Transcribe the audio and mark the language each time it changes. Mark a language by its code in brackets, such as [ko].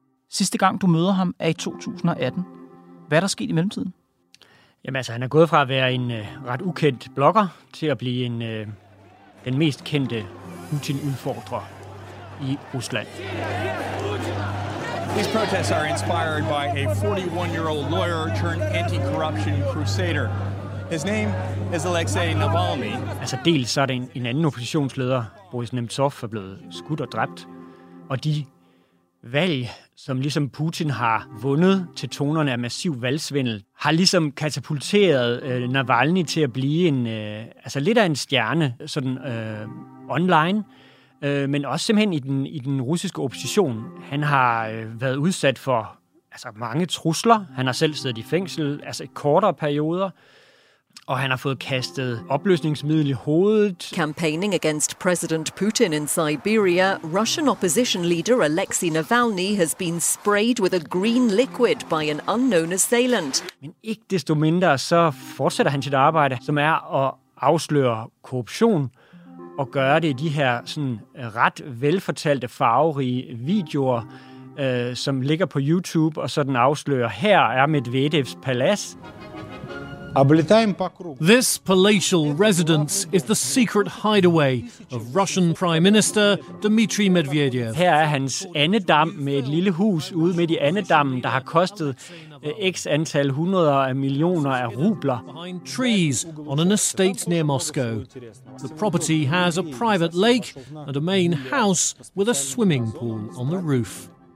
[da] Sidste gang, du møder ham, er i 2018. Hvad er der sket i mellemtiden? Jamen altså, han er gået fra at være en ret ukendt blogger til at blive den mest kendte Putin-udfordrer i Rusland. [en] These protests are inspired by a 41-year-old lawyer turned anti-corruption crusader. His name is Alexei Navalny. [da] Altså dels så er det en anden oppositionsleder, Boris Nemtsov, er blevet skudt og dræbt. Og de valg, som ligesom Putin har vundet til tonerne af massiv valgsvindel, har ligesom katapulteret Navalny til at blive en altså lidt af en stjerne sådan online, men også simpelthen i den russiske opposition. Han har været udsat for altså mange trusler. Han har selv siddet i fængsel altså i kortere perioder. Og han har fået kastet opløsningsmiddel i hovedet. [en] Campaigning against President Putin in Siberia, Russian opposition leader Alexei Navalny has been sprayed with a green liquid by an unknown assailant. [da] Men ikke desto mindre, så fortsætter han sit arbejde, som er at afsløre korruption og gøre det i de her sådan ret velfortalte farverige videoer, som ligger på YouTube og sådan afslører, her er Medvedevs palads. [en] This palatial residence is the secret hideaway of Russian Prime Minister Dmitry Medvedev. [da] Her er hans andedam med et lille hus ude midt i andedammen, der har kostet x antal hundreder af millioner af rubler. [en] Behind trees on an estate near Moscow. The property has a private lake and a main house with a swimming pool on the roof.